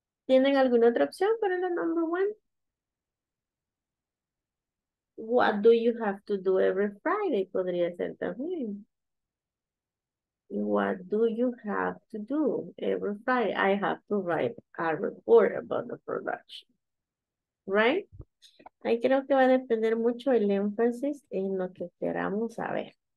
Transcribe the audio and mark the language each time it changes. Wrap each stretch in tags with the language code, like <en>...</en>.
<es>¿Tienen alguna otra opción para la</es> <en>number one? What do you have to do every Friday?</en> <es>Podría ser también.</es> <en>What do you have to do every Friday? I have to write a report about the production. Right?</en> <es>Ahí creo que va a depender mucho el énfasis en lo que queramos saber.</es>